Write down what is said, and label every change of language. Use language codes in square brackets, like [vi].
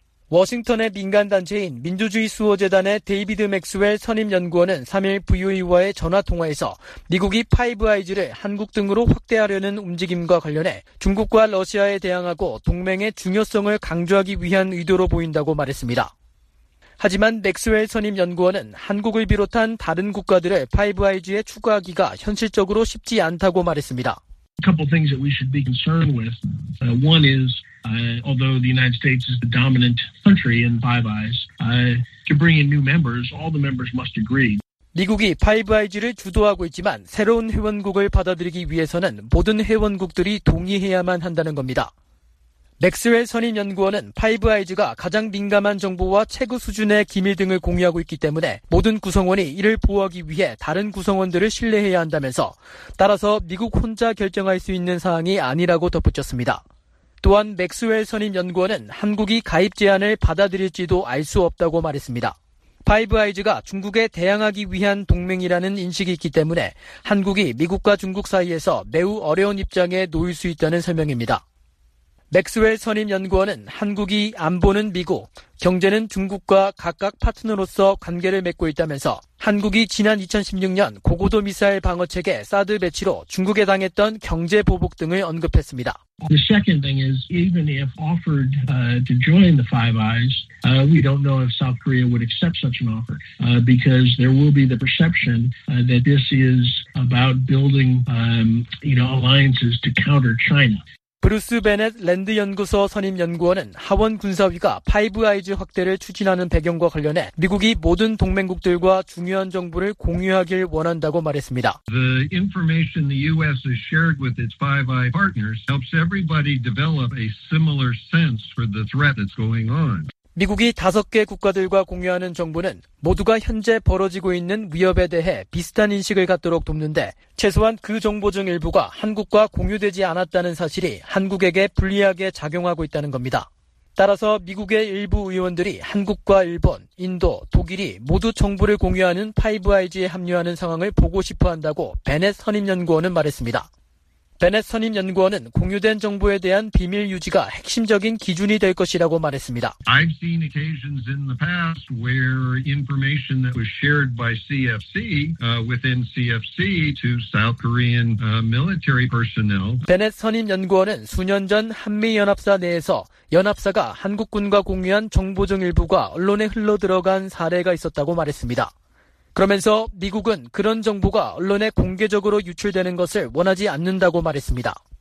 [ko] 워싱턴의 민간단체인 민주주의 수호재단의 데이비드 맥스웰 선임연구원은 3일 VOA와의 전화통화에서 미국이 파이브아이즈를 한국 등으로 확대하려는 움직임과 관련해 중국과 러시아에 대항하고 동맹의 중요성을 강조하기 위한 의도로 보인다고 말했습니다. 하지만 맥스웰 선임연구원은 한국을 비롯한 다른 국가들을 파이브아이즈에 추가하기가 현실적으로 쉽지 않다고 말했습니다. [en] A couple of things that we should be concerned with. One is, although the United States is the dominant country in Five Eyes, to bring in new members, all the members must agree. [ko] 미국이 Five Eyes를 주도하고 있지만 새로운 회원국을 받아들이기 위해서는 모든 회원국들이 동의해야만 한다는 겁니다. 맥스웰 선임 연구원은 파이브 아이즈가 가장 민감한 정보와 최고 수준의 기밀 등을 공유하고 있기 때문에 모든 구성원이 이를 보호하기 위해 다른 구성원들을 신뢰해야 한다면서 따라서 미국 혼자 결정할 수 있는 사항이 아니라고 덧붙였습니다. 또한 맥스웰 선임 연구원은 한국이 가입 제안을 받아들일지도 알 수 없다고 말했습니다. 파이브 아이즈가 중국에 대항하기 위한 동맹이라는 인식이 있기 때문에 한국이 미국과 중국 사이에서 매우 어려운 입장에 놓일 수 있다는 설명입니다. 맥스웰 선임연구원은 한국이 안보는 미국, 경제는 중국과 각각 파트너로서 관계를 맺고 있다면서 한국이 지난 2016년 고고도 미사일 방어체계 사드 배치로 중국에 당했던 경제 보복 등을 언급했습니다. [en] The second thing is even if offered to join the Five Eyes, we don't know if South Korea would accept such an offer because there will be the perception that this is about building alliances to counter China. [ko] 브루스 베넷 랜드 연구소 선임 연구원은 하원 군사위가 파이브 아이즈 확대를 추진하는 배경과 관련해 미국이 모든 동맹국들과 중요한 정보를 공유하길 원한다고 말했습니다. [en] The information the US has shared with its Five Eyes partners helps everybody develop a similar sense for the threat that's going on. [ko] 미국이 다섯 개 국가들과 공유하는 정보는 모두가 현재 벌어지고 있는 위협에 대해 비슷한 인식을 갖도록 돕는데 최소한 그 정보 중 일부가 한국과 공유되지 않았다는 사실이 한국에게 불리하게 작용하고 있다는 겁니다. 따라서 미국의 일부 의원들이 한국과 일본, 인도, 독일이 모두 정보를 공유하는 파이브 아이즈에 합류하는 상황을 보고 싶어 한다고 베넷 선임연구원은 말했습니다. 베넷 선임연구원은 공유된 정보에 대한 비밀 유지가 핵심적인 기준이 될 것이라고 말했습니다. [en] I've seen occasions in the past where information that was shared by CFC within CFC to South Korean military personnel. [ko] 베넷 선임연구원은 수년 전 한미연합사 내에서 연합사가 한국군과 공유한 정보 중 일부가 언론에 흘러들어간 사례가 있었다고 말했습니다. 그러면서 미국은 그런 정보가 언론에 공개적으로 유출되는 것을 원하지 않는다고 말했습니다.